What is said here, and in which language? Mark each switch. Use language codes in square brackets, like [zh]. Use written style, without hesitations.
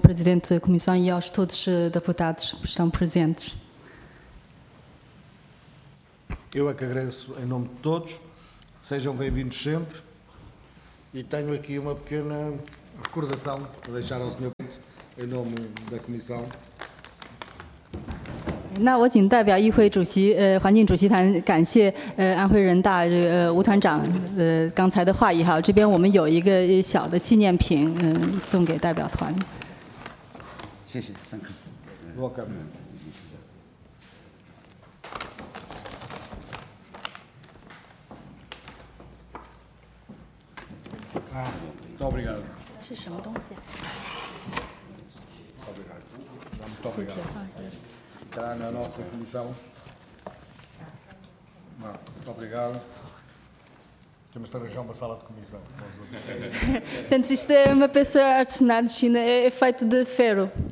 [pt] Presidente da Comissão e aos todos deputados que estão presentes. Eu é que agradeço em nome de todos. Sejam bem-vindos sempre. E tenho aqui uma pequena recordação para deixar ao Sr. Presidente em nome da Comissão. [zh] 那我仅代表议会主席，环境主席团感谢安徽人大吴团长刚才的话语哈。这边我们有一个小的纪念品，送给代表团。谢谢，上课。 [en] Welcome. [zh] 啊，多谢。是什么东西？ [pt] Obrigado. Muito obrigado. ficará na nossa comissão. Muito obrigado. Temos de arranjar uma sala de comissão. Portanto, isto é uma peça artesanal de China, é feito de ferro.